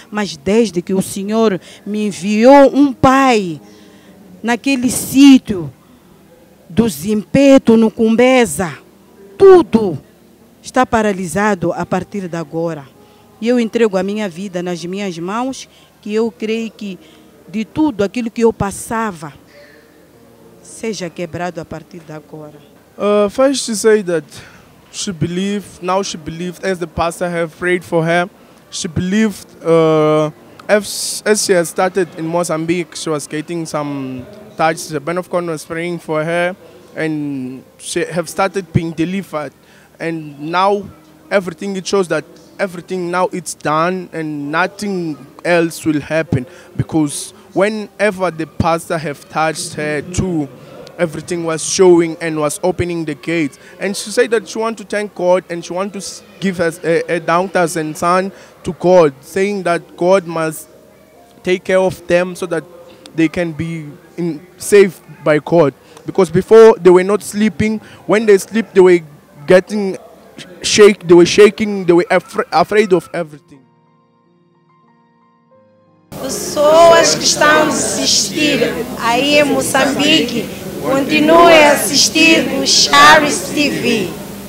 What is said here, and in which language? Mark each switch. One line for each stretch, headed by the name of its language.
Portuguese: Mas desde que o Senhor me enviou um pai naquele sítio, do Zimpeto, no Cumbeza, tudo está paralisado a partir de agora. E eu entrego a minha vida nas minhas mãos, que eu creio que de tudo aquilo que eu passava seja quebrado a partir de agora.
English: First she said that she believed, now she believed, as the pastor have prayed for her, she believed, as she had started in Mozambique, she was getting some touch, the man of God was praying for her and she have started being delivered, and now everything, it shows that everything now it's done and nothing else will happen, because whenever the pastor have touched her too, everything was showing and was opening the gates. And she said that she want to thank God and she want to give us a daughter and son to God, saying that God must take care of them so that they can be in saved by God, because before they were not sleeping. When they sleep, they were getting shake, they were shaking, they were afraid of everything.
Portuguese: Pessoas que estão a assistir aí em Moçambique, continue a assistir o Charis TV.